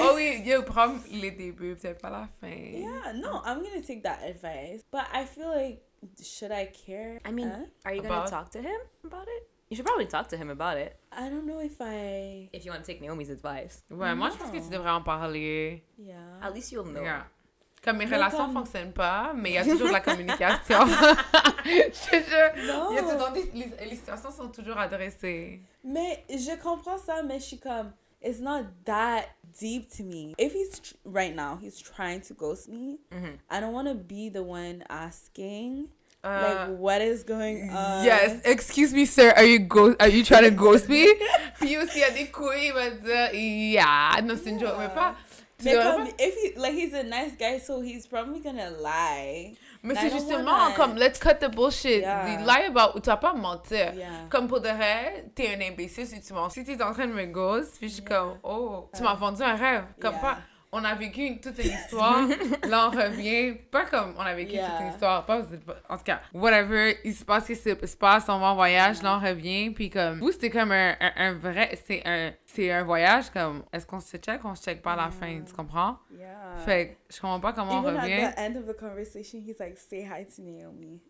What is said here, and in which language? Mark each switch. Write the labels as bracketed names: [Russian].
[French] Oh, oui, yo, prends les débuts, peut-être pas la fin. [English] Yeah, no, I'm going to take that advice. But I feel like, should I care? I mean, are you going to talk to him about it? You should probably talk to him about it. I don't know if I... If you want to take Naomi's advice. [French] Ouais, moi, je pense que tu devrais en parler. [English] Yeah. At least you'll know. Yeah. [French] Comme mes relations fonctionnent pas, mais il y a toujours de la communication. Je te jure. Non. Y a tout, les situations sont toujours adressées. Mais je comprends ça, mais je suis comme, [English] it's not that deep to me. If he's, right now, he's trying to ghost me, mm-hmm. I don't want to be the one asking, like, what is going on? Yes, excuse me, sir, are you trying to ghost me? [French] Puis aussi, il y a des couilles, il m'a dit, yeah, non, c'est une joke, mais pas... Mais comme, [English] if he, like, he's a nice guy, so he's probably gonna lie. [French] Mais c'est justement, comme, [English] let's cut the bullshit. Yeah. Lie about, [French] tu vas pas mentir. [English] Yeah. [French] Comme pour de vrai, t'es un imbécile si tu mens. Si t'es en train de me ghost, puis je suis comme, oh, tu m'as vendu un rêve. Comme pas, on a vécu toute une histoire, là on revient. Pas comme, on a vécu toute une histoire. Pas, en tout cas, whatever, il se passe, qu'il se passe, on va en voyage, là on revient. Puis comme, vous, c'était comme un vrai, c'est un... C'est un voyage comme, est-ce qu'on se check ou on se check pas à la fin, tu comprends? [English] Yeah. [French] Fait je comprends pas comment [English] even [French] on revient. [English] Even at the end of the conversation, he's like, say hi to Naomi.